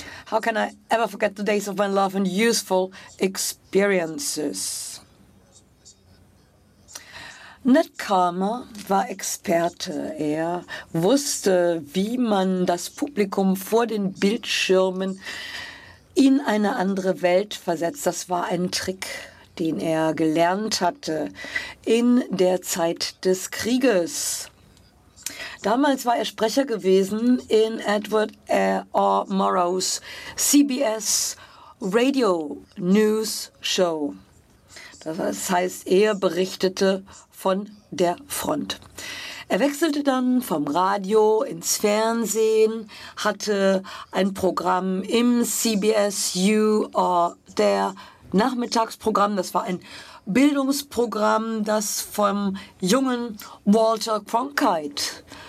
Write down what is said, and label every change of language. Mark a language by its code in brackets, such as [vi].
[en] How can I ever forget the days of my love and useful experiences? [de] Ned Kamer war Experte. Er wusste, wie man das Publikum vor den Bildschirmen in eine andere Welt versetzt. Das war ein Trick, den er gelernt hatte in der Zeit des Krieges. Damals war er Sprecher gewesen in Edward R. [en] Murrow's CBS Radio News Show. [de] Das heißt, er berichtete von der Front. Er wechselte dann vom Radio ins Fernsehen, hatte ein Programm im CBS You Are There Nachmittagsprogramm. Das war ein Bildungsprogramm, das vom jungen Walter Cronkite